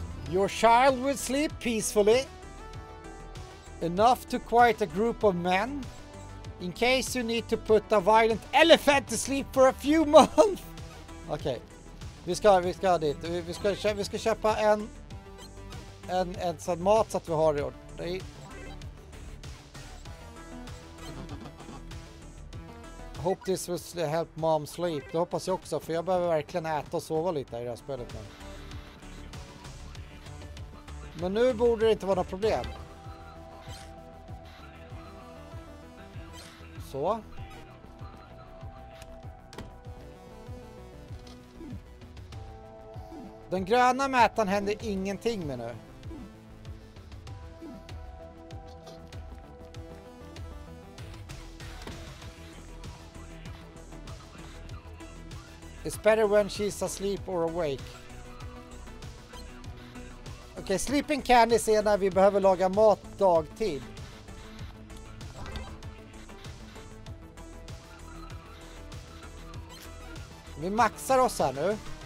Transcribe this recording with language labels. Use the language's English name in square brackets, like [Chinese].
[English] Your child will sleep peacefully, enough to quiet a group of men, in case you need to put a violent elephant to sleep for a few months. [Swedish] Okej, okay. Vi ska dit. Vi ska köpa en sån mat så att vi har det. [English] Hope this will help mom sleep. [Swedish] Det hoppas jag också, för jag behöver verkligen äta och sova lite i det här spelet. Men nu borde det inte vara något problem. Så. Den gröna mätaren händer ingenting med nu. [English] It's better when she's asleep or awake. [Swedish] Okej, okay, sleeping candy ser när vi behöver laga mat dagtid. Vi maxar oss här nu.